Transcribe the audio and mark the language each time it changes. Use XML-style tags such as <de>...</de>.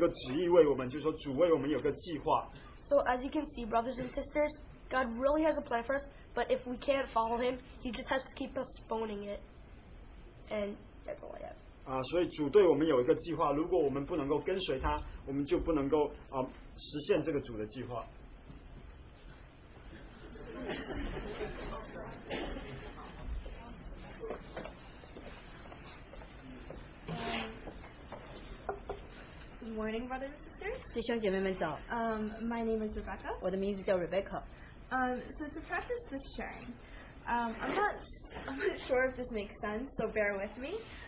<zh>所以这后半部分说要明白主的旨意如何，实在是就摸着我。他在这里说主有一个旨意为我们，就是说主为我们有个计划。</zh> <en>So as you can see, brothers and sisters, God really has a plan for us, but if we can't follow Him, He just has to keep postponing it. And that's all I have.</en> <zh>所以主对我们有一个计划，如果我们不能够跟随他，我们就不能够实现这个主的计划。</zh> <en>Good morning, brothers and sisters.</en> <zh>弟兄姐妹们早。</zh> <en>My name is Rebecca.</en> <zh>我的名字叫 Rebecca.</zh> <en>So to practice this sharing, I'm not sure if this makes sense, so bear with me.</en>